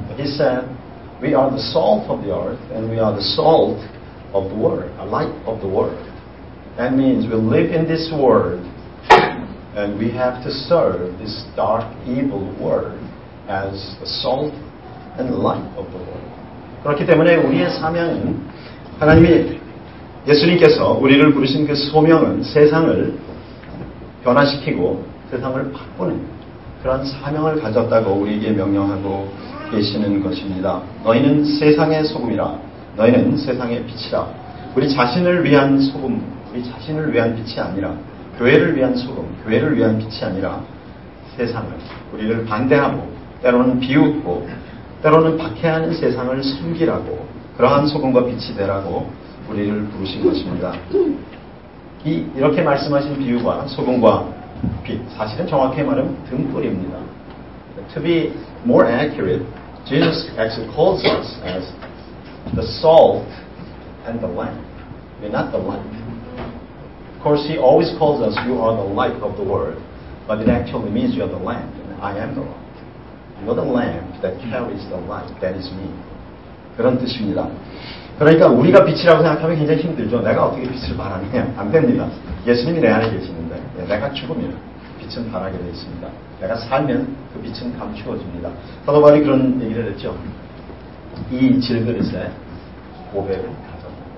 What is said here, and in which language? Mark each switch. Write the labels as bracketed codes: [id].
[en] But he said we are the salt of the earth and we are the salt of the world, a light of the world. That means we live in this world and we have to serve this dark, evil world as the salt and light of the world. [ko] 그렇기 때문에 우리의 사명은, 하나님이 예수님께서 우리를 부르신 그 소명은 세상을 변화시키고 세상을 바꾸는 그런 사명을 가졌다고 우리에게 명령하고 계시는 것입니다. 너희는 세상의 소금이라, 너희는 세상의 빛이라. 우리 자신을 위한 소금, 우리 자신을 위한 빛이 아니라 교회를 위한 소금, 교회를 위한 빛이 아니라 세상을, 우리를 반대하고 때로는 비웃고 때로는 박해하는 세상을 섬기라고, 그러한 소금과 빛이 되라고 우리를 부르신 것입니다. 이렇게 말씀하신 비유가 소금과 빛, 사실은 정확히 말하면 등불입니다. [en] To be more accurate, Jesus actually calls us as the salt and the lamp. We're not the light. Of course, he always calls us, you are the light of the world. But it actually means you are the lamp, and I am the light. You are the lamp that carries the light, that is me. [ko] 그런 뜻입니다. 그러니까 우리가 빛이라고 생각하면 굉장히 힘들죠. 내가 어떻게 빛을 발하느냐? 안 됩니다. 예수님이 내 안에 계시는데, 내가 죽으면 빛은 반하게 되어 있습니다. 내가 살면 그 빛은 감추어 줍니다. 사도바울이 그런 얘기를 했죠. 이 질그릇에 보배를 가져.